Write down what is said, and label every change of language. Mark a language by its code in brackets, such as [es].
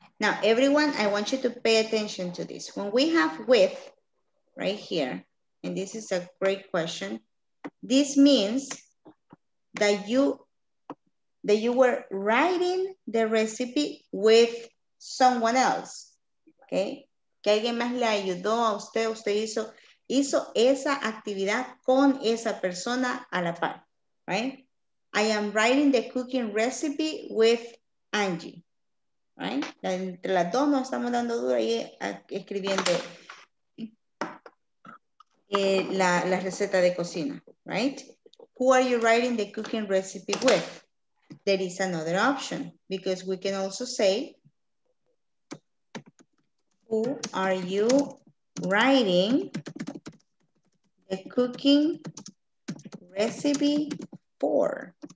[en] Now, everyone, I want you to pay attention to this. When we have with right here, and this is a great question, this means that you were writing the recipe with someone else, okay? [es] Que alguien más le ayudó a usted, usted hizo esa actividad con esa persona a la par, right? [en] I am writing the cooking recipe with Angie, right? [es] Entre las dos nos estamos dando duro ahí escribiendo la receta de cocina, right? [en] Who are you writing the cooking recipe with? There is another option, because we can also say, who are you writing the cooking recipe for?